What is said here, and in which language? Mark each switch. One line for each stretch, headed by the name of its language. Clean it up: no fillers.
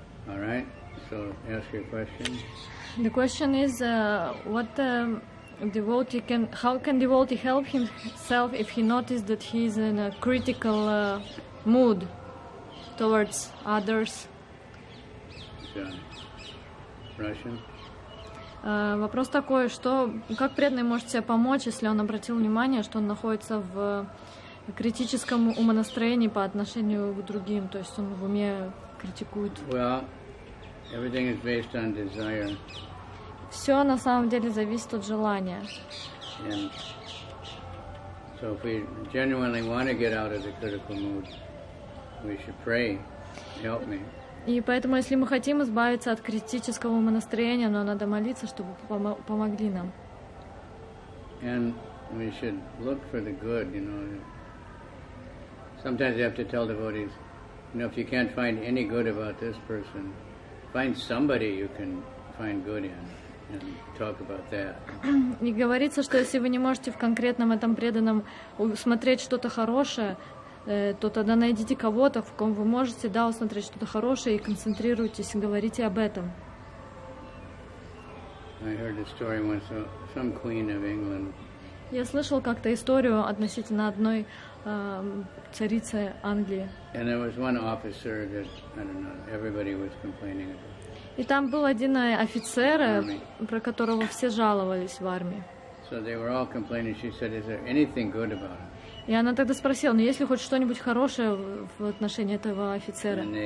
English: Alright, so ask your question. The question is how can devotee help himself if he notices that he is in a critical mood towards others? Sorry. Russian?
Russian: Вопрос такой, что как преданный может себе помочь, если он обратил внимание, что он находится в критическом умонастроении по отношению к другим, то есть он в уме критикует.
English: Well, everything is based on desire.
Russian: Все на самом деле зависит от желания.
English: And so if we genuinely want to get out of the critical mood, we should pray, help me.
Russian: И поэтому, если мы хотим избавиться от критического умонастроения, но надо молиться, чтобы помогли нам.
English: And we should look for the good, you know. Sometimes you have to tell devotees, you know, if you can't find any good about this person, find somebody you can find good in and talk about that.
Russian: И говорится, что если вы не можете в конкретном этом преданном усмотреть что-то хорошее, то тогда найдите кого-то, в ком вы можете, да, усмотреть что-то хорошее, и концентрируйтесь, и говорите об этом.
English: I heard a story once, some queen of England.
Russian: Я слышал как-то историю относительно одной царицы Англии.
English: And there was one officer that, I don't know, everybody was complaining about.
Russian: И там был один офицер, про которого все жаловались в армии.
English: So they were all complaining. She said, "Is there anything good about him?"
Russian: И она тогда спросила, ну есть ли хоть что-нибудь хорошее в отношении этого офицера?